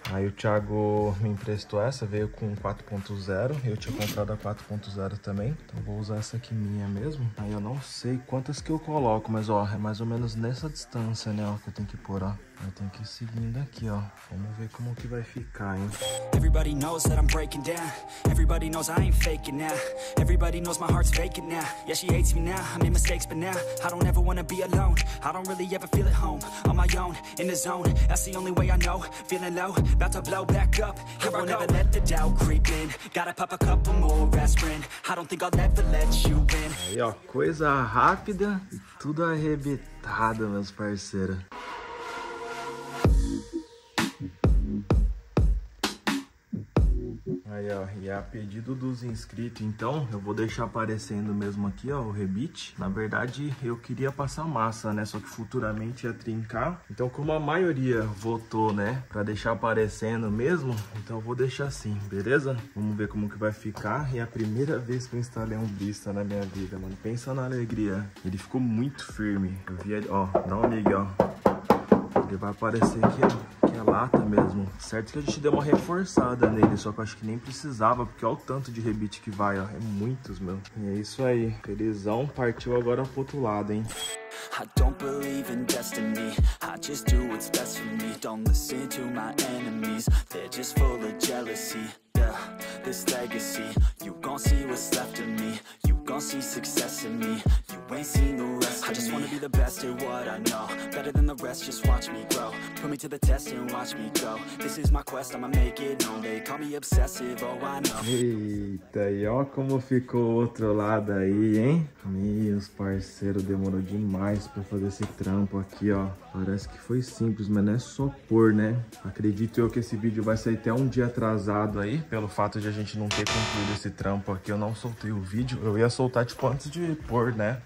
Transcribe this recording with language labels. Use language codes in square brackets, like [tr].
[pt] Aí o Thiago me emprestou essa, veio com 4.0. Eu tinha comprado a 4.0 também. Então vou usar essa aqui minha mesmo. Aí eu não sei quantas que eu coloco, mas ó, é mais ou menos nessa distância, né, ó, que eu tenho que pôr, ó. Eu tenho que ir seguindo aqui, ó. Vamos ver como que vai ficar, hein. [en] Everybody knows that I'm breaking down. Everybody knows I ain't faking now. Everybody knows my heart's faking now. Yeah, she hates me now. I made mistakes, but now I don't ever wanna be alone. I don't really ever feel at home. On my own, in the zone. That's the only way I know. Feeling low, about to blow back up. Here I won't ever let the doubt creep in. Gotta pop a couple more aspirin. I don't think I'll ever let you win. [pt] Aí, ó, coisa rápida e tudo arrebitado, meus parceiros. Aí, ó, e a pedido dos inscritos, então, eu vou deixar aparecendo mesmo aqui, ó, o rebite. Na verdade, eu queria passar massa, né, só que futuramente ia trincar. Então, como a maioria votou, né, pra deixar aparecendo mesmo, então eu vou deixar assim, beleza? Vamos ver como que vai ficar. E é a primeira vez que eu instalei um brista na minha vida, mano. Pensa na alegria. Ele ficou muito firme. Eu vi ali, ó, dá um ligue, ó. Ele vai aparecer aqui, ó. A lata mesmo. Certo que a gente deu uma reforçada nele, só que eu acho que nem precisava, porque olha o tanto de rebite que vai, ó. É muitos, meu. E é isso aí. Felizão partiu agora pro outro lado, hein. [en] I don't believe in destiny. I just do what's best for me. Don't listen to my enemies. They're just full of jealousy. Yeah, this legacy. You gon' see what's left of me. You gon' see success in me. You ain't seen the rest of me. I just wanna be the best at what I know. Better than the rest, just watch me grow. Put me to the test and watch me go. This is my quest, I'ma make it known. They call me obsessive, oh I know. [pt] Eita, e ó como ficou o outro lado aí, hein? Meus parceiros, demorou demais pra fazer esse trampo aqui, ó. Parece que foi simples, mas não é só pôr, né? Acredito eu que esse vídeo vai sair até um dia atrasado aí, pelo fato de a gente não ter concluído esse trampo aqui. Eu não soltei o vídeo, eu ia soltar tipo antes de pôr, né?